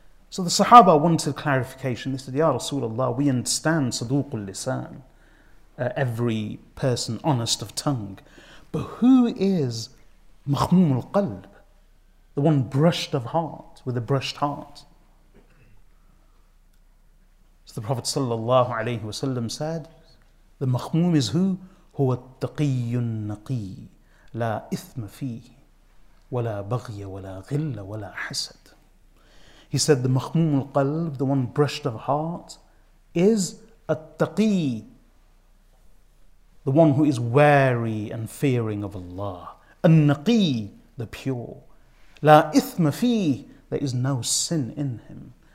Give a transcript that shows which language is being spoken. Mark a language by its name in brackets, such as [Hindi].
[English] So the Sahaba wanted clarification. They said, Ya Rasulullah, we understand [Arabic] صدوق اللسان, [English] every person honest of tongue. But who is [Arabic] مَخْمُومُ الْقَلْبِ? [English] The one brushed of heart, with a brushed heart. So the Prophet sallallahu alayhi wa sallam said, the makhmum is who? [Arabic] هو التقي النقي لا إثم فيه ولا بغي ولا غل ولا حسد. [English] He said, the makhmum al-qalb, the one brushed of heart, is [Arabic] التقي, [English] the one who is wary and fearing of Allah. [Arabic] النقي, [English] the pure. [Arabic] لا إثم فيه, [English] there is no sin in him.